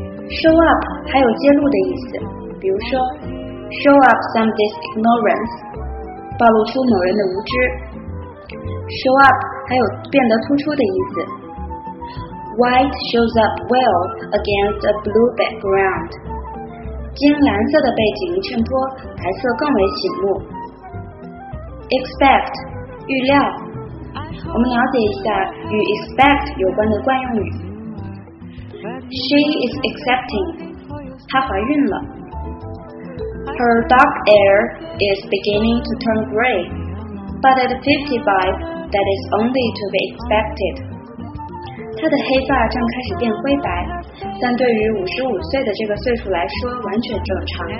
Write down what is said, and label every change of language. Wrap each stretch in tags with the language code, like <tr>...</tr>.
<zh>Show up 还有揭露的意思，比如说</zh> <en>Show up somebody's ignorance，</en> <zh>暴露出某人的无知。 Show up 还有变得突出的意思。</zh> <en>White shows up well against a blue background，</en> <zh>金蓝色的背景衬托白色更为醒目。</zh> <en>Expect</en> <zh>预料。我们了解一下与 expect 有关的惯用语。</zh> <en>She is expecting，</en> <zh>她怀孕了。</zh> <en>Her dark hair is beginning to turn gray, but at 55, that is only to be expected.</en> <zh>她的黑发正开始变灰白，但对于55岁的这个岁数来说完全正常。</zh>